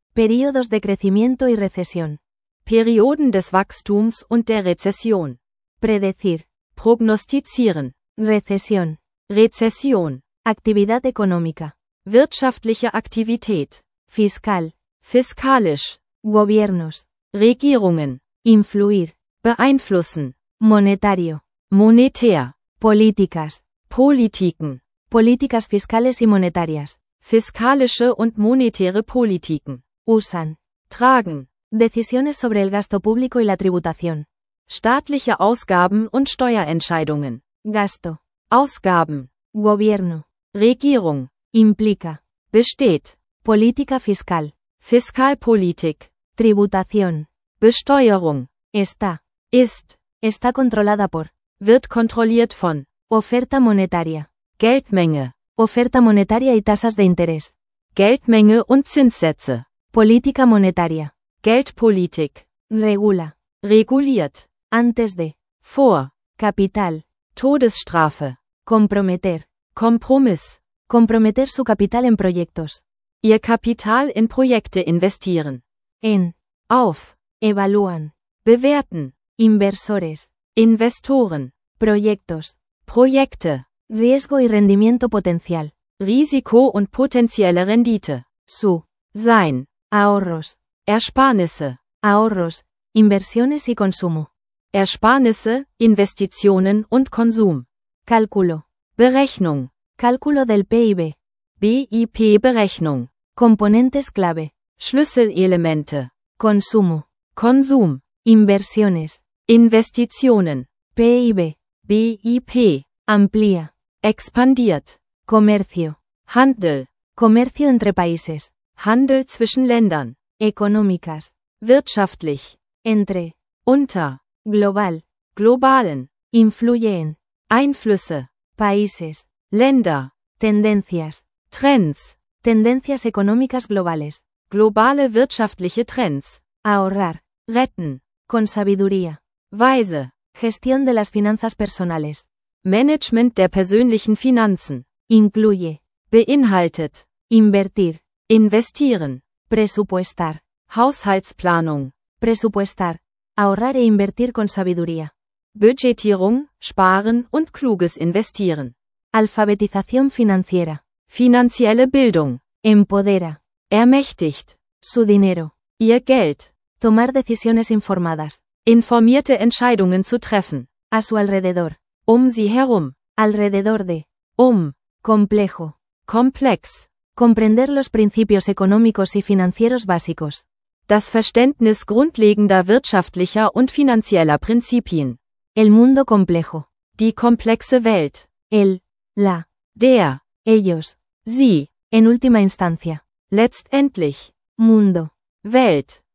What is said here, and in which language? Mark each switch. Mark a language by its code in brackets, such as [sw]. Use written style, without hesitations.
[es] Periodos de crecimiento y recesión. [de] Perioden des Wachstums und der Rezession. [es] Predecir. [de] Prognostizieren. [es] Recesión. [de] Rezession. [es] Actividad económica. [de] Wirtschaftliche Aktivität. [es] Fiscal. [de] Fiskalisch. [es] Gobiernos. [de] Regierungen. [es] Influir. [de] Beeinflussen. [es] Monetario. [de] Monetär. [es] Políticas. [de] Politiken. [es] Políticas fiscales y monetarias. [de] Fiskalische und monetäre Politiken. [es] Usan. [de] Tragen. [es] Decisiones sobre el gasto público y la tributación. [de] Staatliche Ausgaben und Steuerentscheidungen. [es] Gasto. [de] Ausgaben. [es] Gobierno. [de] Regierung. [es] Implica. [de] Besteht. [es] Política fiscal. [de] Fiskalpolitik. [es] Tributación. [de] Besteuerung. [es] Está. [de] Ist. [es] Está controlada por. [de] Wird kontrolliert von. [es] Oferta monetaria. [de] Geldmenge. [es] Oferta monetaria y tasas de interés. [de] Geldmenge und Zinssätze. [es] Política monetaria. [de] Geldpolitik. [es] Regula. [de] Reguliert. [es] Antes de. [de] Vor. [es] Capital. [de] Todesstrafe. [es] Comprometer. [de] Kompromiss. [es] Comprometer su capital en proyectos. [de] Ihr Kapital in Projekte investieren. [es] En. [de] Auf. [es] Evaluan. [de] Bewerten. [es] Inversores. [de] Investoren. [es] Proyectos. [de] Projekte. [es] Riesgo y rendimiento potencial. [de] Risiko und potenzielle Rendite. [es] Su. [de] Sein. [es] Ahorros. [de] Ersparnisse. [es] Ahorros. Inversiones y consumo. [de] Ersparnisse, Investitionen und Konsum. [es] Cálculo. [de] Berechnung. [es] Cálculo del PIB. [de] BIP-Berechnung. [es] Componentes clave. [de] Schlüsselelemente. [es] Consumo. [de] Konsum. [es] Inversiones. [de] Investitionen. [es] PIB. [de] BIP. [es] Amplía. [de] Expandiert. [es] Comercio. [de] Handel. [es] Comercio entre países. [de] Handel zwischen Ländern. [es] Económicas. [de] Wirtschaftlich. [es] Entre. [de] Unter. [es] Global. [de] Globalen. [es] Influye en. [de] Einflüsse. [es] Países. [de] Länder. [es] Tendencias. [de] Trends. [es] Tendencias económicas globales. [de] Globale wirtschaftliche Trends. [es] Ahorrar. [de] Retten. [es] Con sabiduría. [de] Weise. [es] Gestión de las finanzas personales. [de] Management der persönlichen Finanzen. [es] Incluye. [de] Beinhaltet. [es] Invertir. [de] Investieren. [es] Presupuestar. [de] Haushaltsplanung. [es] Presupuestar. Ahorrar e invertir con sabiduría. [de] Budgetierung, sparen und kluges investieren. [es] Alfabetización financiera. [de] Finanzielle Bildung. [es] Empodera. [de] Ermächtigt. [es] Su dinero. [de] Ihr Geld. [es] Tomar decisiones informadas. [de] Informierte Entscheidungen zu treffen. [es] A su alrededor. [de] Um sie herum. [es] Alrededor de. [de] Um. [es] Complejo. [de] Komplex. [es] Comprender los principios económicos y financieros básicos. [de] Das Verständnis grundlegender wirtschaftlicher und finanzieller Prinzipien. [es] El mundo complejo. [de] Die komplexe Welt. [es] El. La. [de] Der. [es] Ellos. [de] Sie. [es] En última instancia. [de] Letztendlich. [es] Mundo. [de] Welt.